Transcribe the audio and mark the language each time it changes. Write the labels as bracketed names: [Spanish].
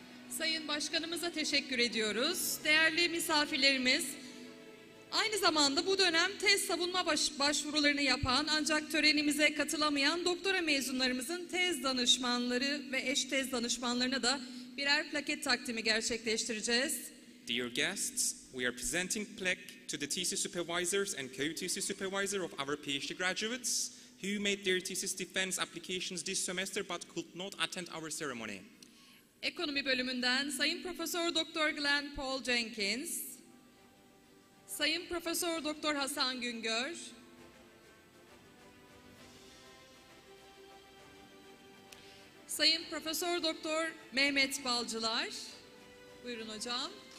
[Turkish] Sayın Başkanımıza teşekkür ediyoruz. Değerli misafirlerimiz, aynı zamanda bu dönem tez savunma başvurularını yapan ancak törenimize katılamayan doktora mezunlarımızın tez danışmanları ve eş tez danışmanlarına da birer plaket takdimi gerçekleştireceğiz. [English] Dear guests, we are presenting plaque to the thesis supervisors and co-thesis supervisor of our PhD graduates who made their thesis defense applications this semester but could not attend our ceremony. [Turkish] Ekonomi bölümünden Sayın Profesör Doktor Glenn Paul Jenkins, Sayın Profesör Doktor Hasan Güngör, Sayın Profesör Doktor Mehmet Balcılar, buyurun hocam.